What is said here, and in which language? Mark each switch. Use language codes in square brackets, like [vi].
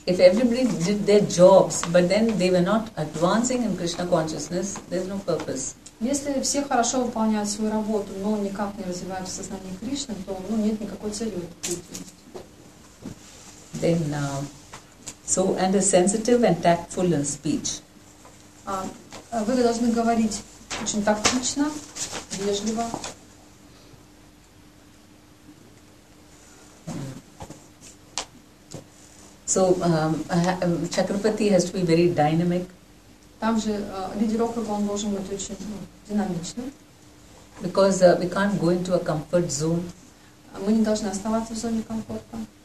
[en] If everybody did their jobs, but then they were not advancing in Krishna consciousness, there's no purpose. [ru] Если все хорошо выполняют свою работу, но никак не развивают в сознании Кришны, то нет никакой цели в этой деятельности. [en] Then, and a sensitive and tactful in speech. [ru] Вы должны говорить очень тактично, вежливо. [en] Chakrapati has to be very dynamic. [ru] Также лидер округа он должен быть очень динамичным. [en] Because we can't go into a comfort zone. [ru] Мы не должны оставаться в зоне комфорта.